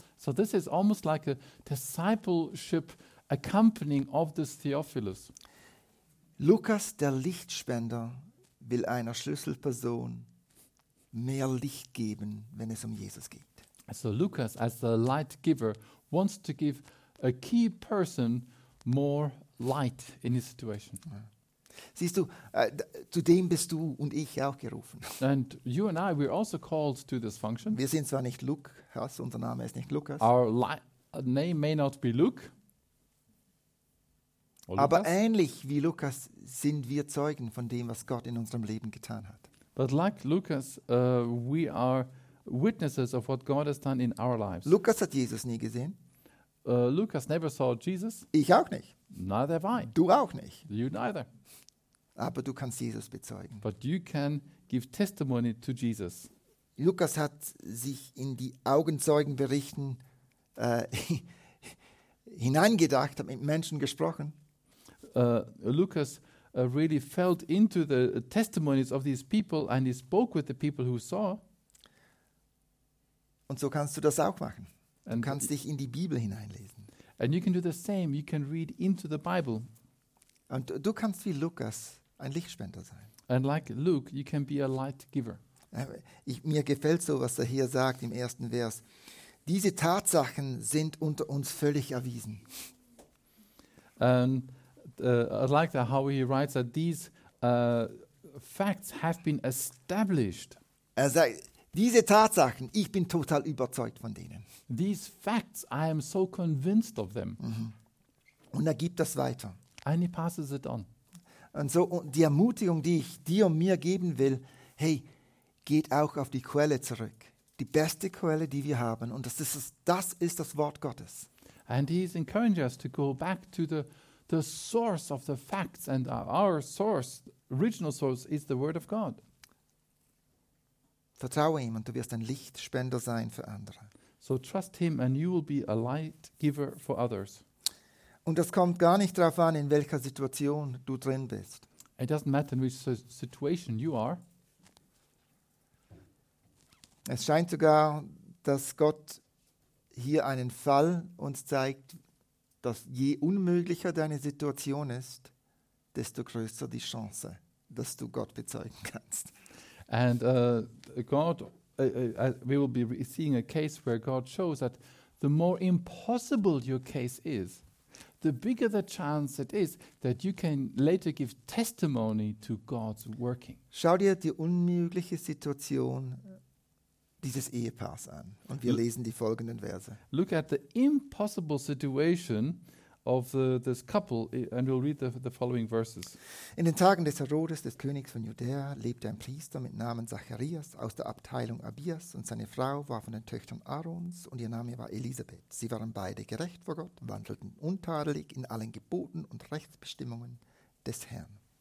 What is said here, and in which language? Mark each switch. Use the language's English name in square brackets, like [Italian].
[English] So this is almost like a discipleship accompanying of this Theophilus. [German] Lukas, der Lichtspender, will einer Schlüsselperson mehr Licht geben, wenn es um Jesus geht. [English] So Lukas, as the light giver, wants to give a key person more light in his situation. [German] Siehst du, zu dem bist du und ich auch gerufen. [English] And you and I, we're also called to this function. [German] Wir sind zwar nicht Lukas, unser Name ist nicht Lukas. [English] Our name may not be Luke. [German] Aber ähnlich wie Lukas sind wir Zeugen von dem, was Gott in unserem Leben getan hat. [English] But like Lukas, we are witnesses of what God has done in our lives. [German] Lukas hat Jesus nie gesehen. [English] Lukas never saw Jesus. [German] Ich auch nicht. [English] Neither have I. [German] Du auch nicht. [English] You neither. [German] Aber du kannst Jesus bezeugen. [English] But you can give testimony to Jesus. [German] Lukas hat sich in die Augenzeugenberichten hineingedacht, hat mit Menschen gesprochen. [English] Lukas really felt into the testimonies of these people and he spoke with the people who saw. [German] Und so kannst du das auch machen. Du kannst dich in die Bibel hineinlesen. [English] And you can do the same. You can read into the Bible. [German] Und du kannst wie Lukas ein Lichtspender sein. [English] And like Luke, you can be a light giver. [German] Mir gefällt so, was er hier sagt im ersten Vers. Diese Tatsachen sind unter uns völlig erwiesen. [English] And I like that how he writes that these facts have been established. [German] Er sagt, diese Tatsachen, ich bin total überzeugt von denen. [English] These facts, I am so convinced of them. [German] Mm-hmm. Und er gibt das weiter. [English] And he passes it on. [German] Und so und die Ermutigung, die ich dir und mir geben will, hey, geht auch auf die Quelle zurück. Die beste Quelle, die wir haben. Und das ist das Wort Gottes. [English] And he's encouraging us to go back to the source of the facts and our source, original source, is the Word of God. [German] Vertraue ihm und du wirst ein Lichtspender sein für andere. [English] So trust him and you will be a light giver for others. [German] Und das kommt gar nicht darauf an, in welcher Situation du drin bist. [English] It doesn't matter in which situation you are. [German] Es scheint sogar, dass Gott hier einen Fall uns zeigt, dass je unmöglicher deine Situation ist, desto größer die Chance, dass du Gott bezeugen kannst. [English] And we will be seeing a case where God shows that the more impossible your case is, the bigger the chance it is that you can later give testimony to God's working. [German] Schau dir die unmögliche Situation dieses Ehepaars an und wir lesen die folgenden Verse. [English] Look at the impossible situation of this couple, and we'll read the following verses. [German] In den Tagen des Herodes, des Königs von Judäa, lebte ein Priester mit Namen Zacharias aus der Abteilung Abias, und seine Frau war von den Töchtern Aarons, und ihr Name war Elisabeth. Sie waren beide gerecht vor Gott, wandelten untadelig in allen Geboten und Rechtsbestimmungen des Herrn.